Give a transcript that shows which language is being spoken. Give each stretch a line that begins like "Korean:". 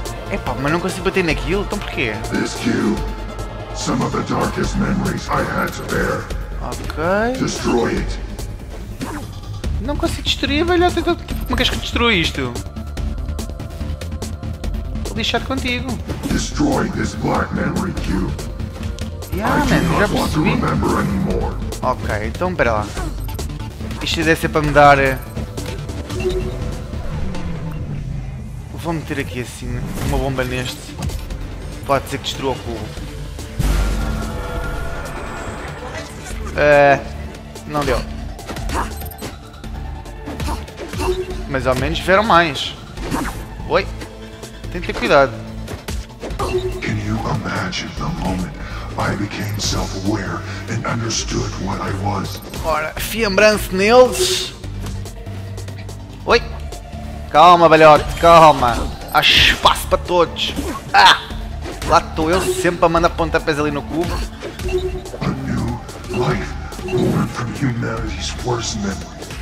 Portuguese: Epá, mas não consigo bater naquilo, então porquê?
English: This cube, some of the darkest memories I had to bear. Ok. Destroy it.
Portuguese: Não consigo destruir, velho. Como é que és que destrua isto? Vou deixar contigo.
English: Destroy this Black Memory Cube.
Portuguese: Ah, mano, já percebi. Ok, então espera lá. Isto deve ser para me dar. Vou meter aqui assim uma bomba neste. Pode ser que destrua o cubo. Não deu. Mas ao menos vieram mais. Oi? Tem que ter cuidado.
English: Can you imagine the moment I became self-aware and understood what I was?
Portuguese: Ora, fiambrance neles. Oi. Calma, velhote, calma. Há espaço para todos. Ah! Lá estou eu sempre a mandar pontapés ali no cubo.
English: A new life born from humanity's worst memory.